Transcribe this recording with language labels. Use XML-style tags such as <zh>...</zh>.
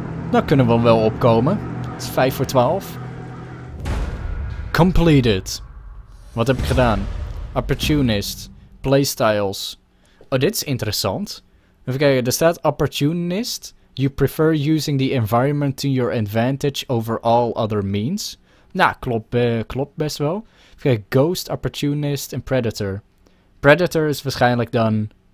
<nl>Nou kunnen we wel opkomen. Het is 5:12.</nl> <en>Completed.</en> <nl>Wat heb ik gedaan? Opportunist. Playstyles. Oh, dit is interessant. Even kijken, er staat opportunist.</nl> <en>You prefer using the environment to your advantage over all other means.</en> <nl>Nou, klopt best wel. Oké, ghost, opportunist en predator. Predator is waarschijnlijk dan...</nl>